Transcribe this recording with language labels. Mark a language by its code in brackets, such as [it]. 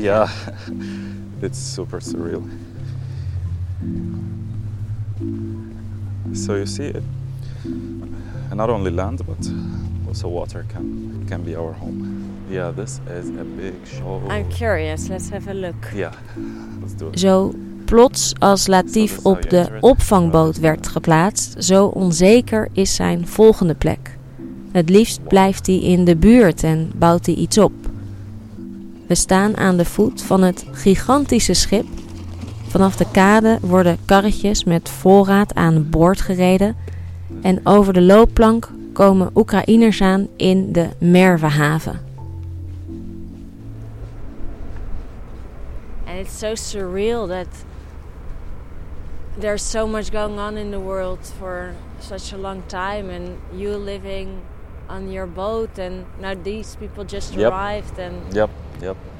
[en] Yeah. It's super surreal. So you see, not only land, but also water can be our home. Yeah, this is a big show. I'm curious, let's have a look. Yeah, let's do it. [nl] Zo plots als Latif op de opvangboot werd geplaatst, zo onzeker is zijn volgende plek. Het liefst blijft hij in de buurt en bouwt hij iets op. We staan aan de voet van het gigantische schip. Vanaf de kade worden karretjes met voorraad aan boord gereden. En over de loopplank komen Oekraïners aan in de Mervehaven. [en] And it's so surreal that there's so much going on in the world for such a long time. And you living on your boat and now these people just arrived. And Yep.